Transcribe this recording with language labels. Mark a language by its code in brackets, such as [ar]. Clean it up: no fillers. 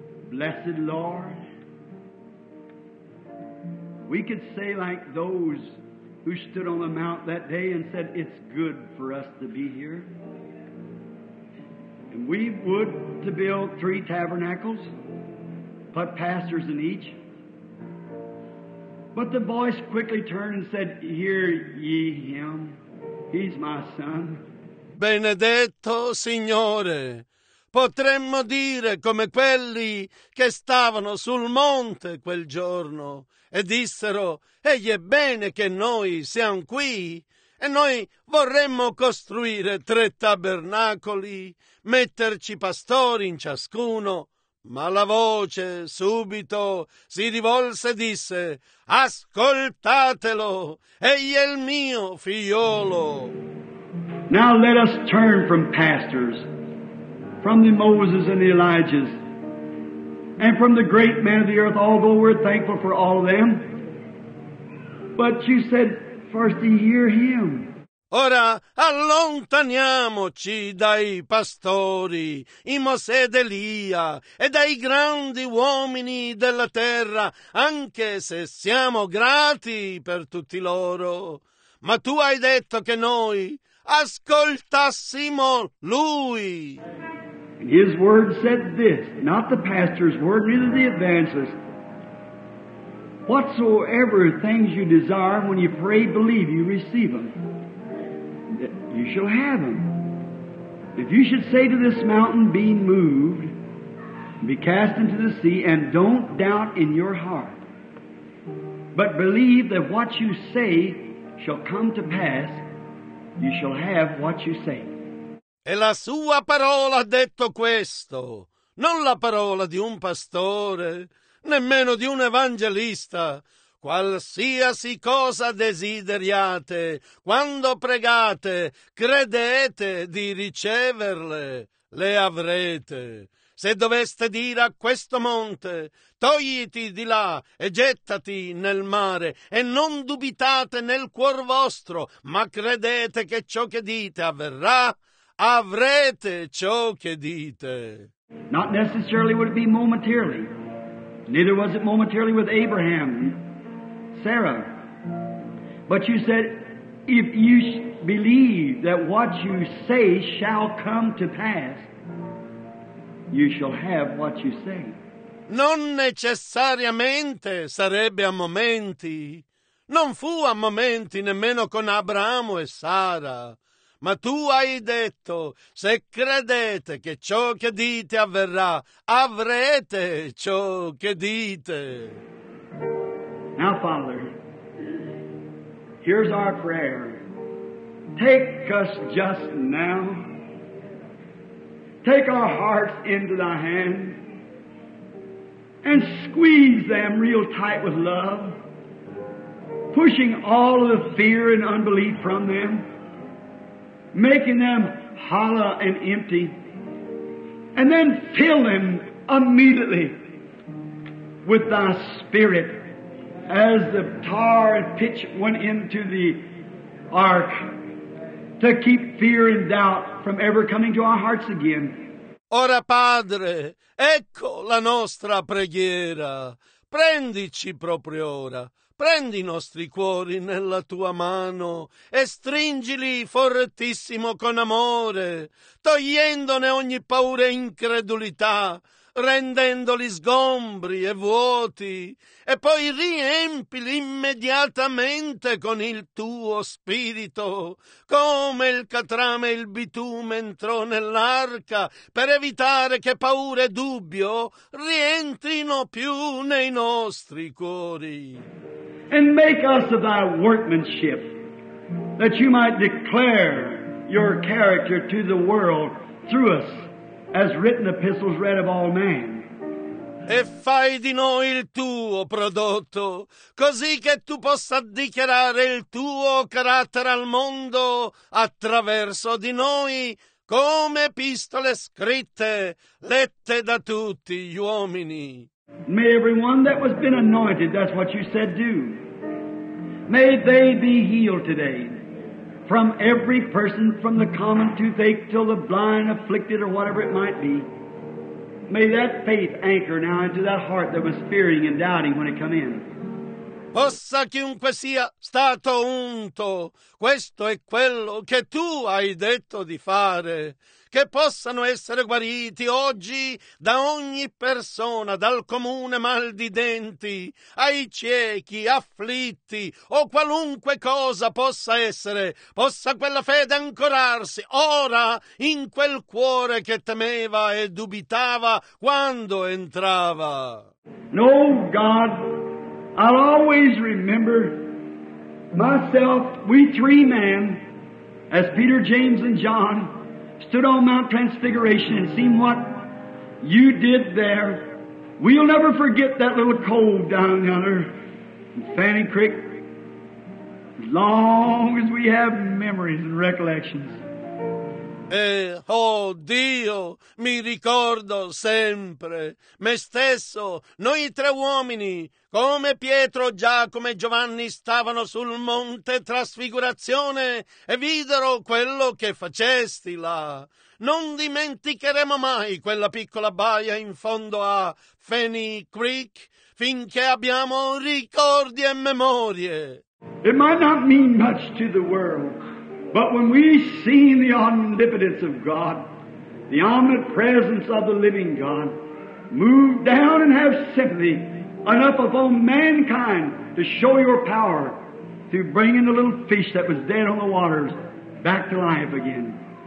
[en] Blessed Lord, we could say like those who stood on the mount that day and said, it's good for us to be here. And we would to build 3 tabernacles, put pastors in each. But the voice quickly turned and said, hear ye him, he's my son. [it] Benedetto Signore, potremmo dire come quelli che stavano sul monte quel giorno e dissero, egli è bene che noi siamo qui e noi vorremmo costruire 3 tabernacoli, metterci pastori in ciascuno. Ma la voce subito si rivolse e disse, ascoltatelo, egli è il mio figliolo. [en] Now let us turn from pastors, from the Moses and the Elijahs, and from the great men of the earth, although we're thankful for all of them. But you said, first to hear him. [it] Ora allontaniamoci dai pastori, i Mosè ed Elia, e dai grandi uomini della terra, anche se siamo grati per tutti loro. Ma tu hai detto che noi ascoltassimo lui. [en] And his word said this, not the pastor's word, neither the evangelist. Whatsoever things you desire, when you pray, believe, you receive them. You shall have them. If you should say to this mountain, be moved, be cast into the sea, and don't doubt in your heart, but believe that what you say shall come to pass, you shall have what you say. [it] E la sua parola ha detto questo, non la parola di un pastore, nemmeno di un evangelista. Qualsiasi cosa desideriate, quando pregate, credete di riceverle, le avrete. Se doveste dire a questo monte, togliti di là e gettati nel mare, e non dubitate nel cuor vostro, ma credete che ciò che dite avverrà, avrete ciò che dite. [en] Not necessarily would it be momentarily. Neither was it momentarily with Abraham, Sarah. But you said, if you believe that what you say shall come to pass, you shall have what you say. [it] Non necessariamente sarebbe a momenti. Non fu a momenti nemmeno con Abramo e Sara. Ma tu hai detto, se credete che ciò che dite avverrà, avrete ciò che dite. [en] Now, Father, here's our prayer. Take us just now. Take our hearts into thy hand and squeeze them real tight with love, pushing all of the fear and unbelief from them, making them hollow and empty, and then fill them immediately with thy Spirit as the tar and pitch went into the ark to keep fear and doubt from ever coming to our hearts again. [it] Ora, Padre, ecco la nostra preghiera. Prendici proprio ora. Prendi i nostri cuori nella tua mano e stringili fortissimo con amore, togliendone ogni paura e incredulità, rendendoli sgombri e vuoti, e poi riempili immediatamente con il tuo spirito, come il catrame e il bitume entrò nell'arca, per evitare che paura e dubbio rientrino più nei nostri cuori. [en] And make us of thy workmanship, that you might declare your character to the world through us, as written epistles read of all men. [it] E fai di noi il tuo prodotto, così che tu possa dichiarare il tuo carattere al mondo attraverso di noi, come epistole scritte, lette da tutti gli uomini. [en] May everyone that was been anointed, that's what you said, do. May they be healed today. From every person, from the common toothache till the blind, afflicted, or whatever it might be. May that faith anchor now into that heart that was fearing and doubting when it come in. [it] Possa chiunque sia stato unto, questo è quello che tu hai detto di fare, che possano essere guariti oggi da ogni persona, dal comune mal di denti, ai ciechi, afflitti, o qualunque cosa possa essere, possa quella fede ancorarsi ora in quel cuore che temeva e dubitava quando entrava. [en] No, God, I'll always remember myself, we three men, as Peter, James, and John, stood on Mount Transfiguration and seen what you did there. We'll never forget that little cove down yonder in Fanny Creek, long as we have memories and recollections. [it] Oh Dio, mi ricordo sempre me stesso, noi tre uomini, come Pietro, Giacomo e Giovanni stavano sul monte Trasfigurazione e videro quello che facesti là. Non dimenticheremo mai quella piccola baia in fondo a Fanny Creek finché abbiamo ricordi e memorie. [en] It might not mean much to the world, but when we seen the omnipotence of God, the omnipresence of the living God, move down and have sympathy enough upon mankind to show your power to bring in the little fish that was dead on the waters back to life again.